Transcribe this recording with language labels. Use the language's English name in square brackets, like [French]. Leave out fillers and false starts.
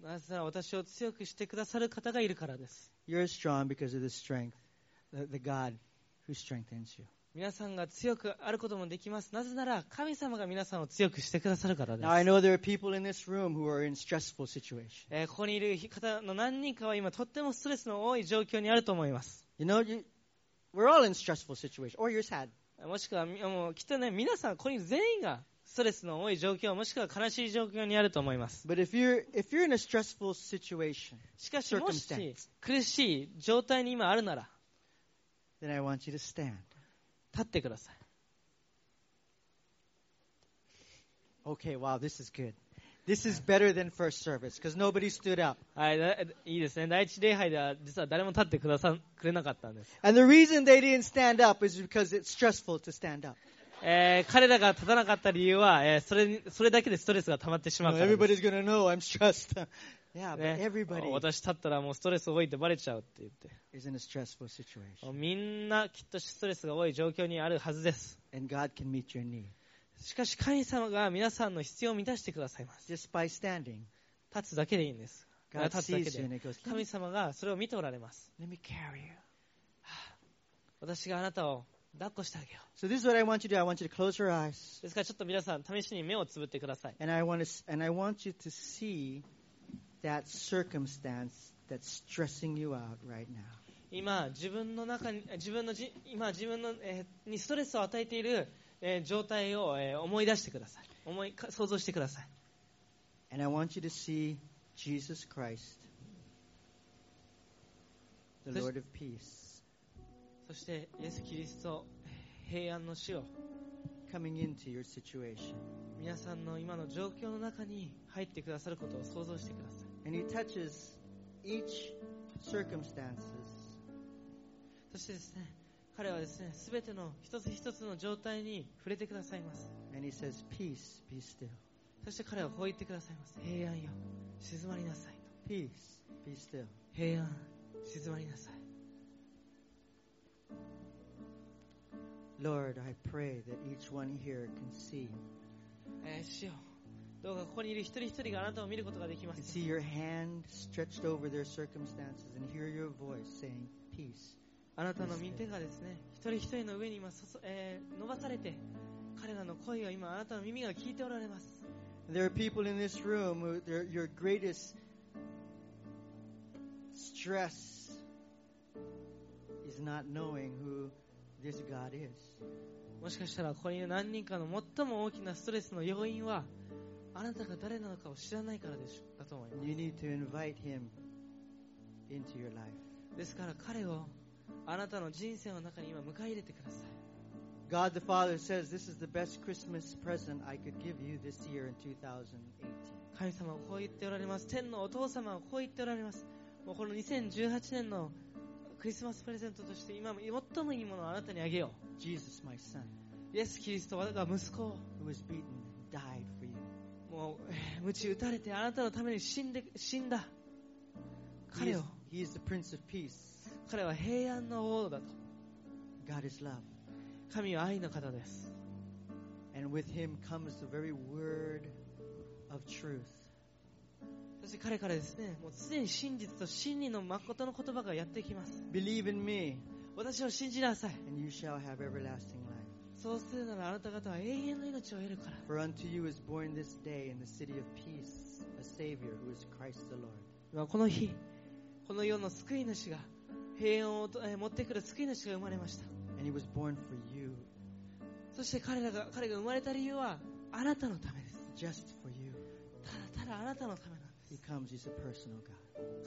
[Japanese] なぜなら私を強くしてくださる方がいるからです。 [English] You're strong because of the strength, the God who strengthens you. [Japanese] 皆さんが強くあることもできます。なぜなら神様が皆さんを強くしてくださるからです。 [English] Now I know there are people in this room who are in stressful situations. [Japanese] ここにいる方の何人かは今とってもストレスの多い状況にあると思います。 [English] You know, we're all in stressful situations. Or you're sad. [Japanese] もしくはもうきっとね皆さんここに全員がストレスの多い状況もしくは悲しい状況にあると思います。 [English] But if you're in a stressful situation, [Japanese] しかしもし苦しい状態に今あるなら、 [English] then I want you to stand. [Japanese] 立ってください。 [English] Okay, wow, this is good. This is better than first service because nobody stood up. [Japanese] はい、いいですね。第一礼拝では実は誰も立ってくれなかったんです。 [English] And the reason they didn't stand up is because it's stressful to stand up. [Japanese] 彼らが立たなかった理由は、それだけでストレスが溜まってしまうからです。 [English] Everybody's gonna know I'm stressed. Yeah, but everybody. [Japanese] 私立ったらもうストレス多いってバレちゃうって言って。 [English] Is in a stressful situation. [Japanese] みんなきっとストレスが多い状況にあるはずです。 [English] And God can meet your need. [Japanese] しかし神様が皆さんの必要を満たしてくださいます。 [English] Just by standing. [Japanese] 立つだけでいいんです。が立つだけで神様がそれを見ておられます。 [English] Let me carry you. [Japanese] 私があなたを抱っこしてあげよう。 [English] So this is what I want you to do. I want you to close your eyes. [Japanese] ですからちょっと皆さん試しに目をつぶってください。 [English] And I want you to see that circumstance that's stressing you out right now. [Japanese] 今自分の中に自分のじ今自分の、にストレスを与えている、状態を、思い出してください。思い想像してください。 [English] And I want you to see Jesus Christ, the Lord of Peace. [Japanese] そしてイエス・キリスト平安の主を [English] coming into your situation. [Japanese] 皆さんの今の状況の中に入ってくださることを想像してください。 [English] And he touches each circumstances. [Japanese] そしてですね、彼はですね、全ての一つ一つの状態に触れてくださいます。 [English] And he says, Peace, be still. [Japanese] そして彼はこう言ってくださいます。平安よ、静まりなさいと。 [English] Peace, be still. [Japanese] 平安、静まりなさい。 [English] Lord, I pray that each one here can see. [Japanese] 主よ、どうかここにいる一人一人があなたを見ることができます。 [English] See your hand stretched over their circumstances and hear your voice saying, "Peace." [Japanese] あなたの右手がですね、一人一人の上に今伸ばされて、彼らの声を今あなたの耳が聞いておられます。 [English] There are people in this room who your greatest stress is not knowing who. This God is. [Japanese] もしかしたらここに何人かの最も大きなストレスの要因はあなたが誰なのかを知らないからでしょうかと思います。 [English] You need to invite him into your life. [Japanese] ですから彼をあなたの人生の中に今迎え入れてください。 [English] God the Father says this is the best Christmas present I could give you this year in 2018. [Japanese] 神様はこう言っておられます。天のお父様はこう言っておられます。もうこの2018年のクリスマスプレゼントとして今最もいいものをあなたにあげよう。 [English] Jesus, my son. [Japanese] イエス・キリスト、我が息子。 [English] Who was beaten and died for you. [Japanese] もう、鞭打たれてあなたのために死んだ。彼を。 [English] He is the Prince of Peace. [Japanese] 彼は平安の王だと。 [English] God is love. [Japanese] 神は愛の方です。 [English] And with him comes the very word of truth. [Japanese] そして彼からですね、もう常に真実と真理の誠の言葉がやってきます。 [English] Believe in me. [Japanese] 私を信じなさい。 [English] And you shall have everlasting life. [Japanese] そうするならあなた方は永遠の命を得るから。 [English] For unto you is born this day in the city of peace, a Savior who is Christ the Lord. [Japanese] この日、この世の救い主が、平安を持ってくる救い主が生まれました。 [English] And he was born for you. [Japanese] そして彼が生まれた理由はあなたのためです。 [English] Just for you. [Japanese] ただただあなたのためなんです。 [English] He comes, he's a personal God.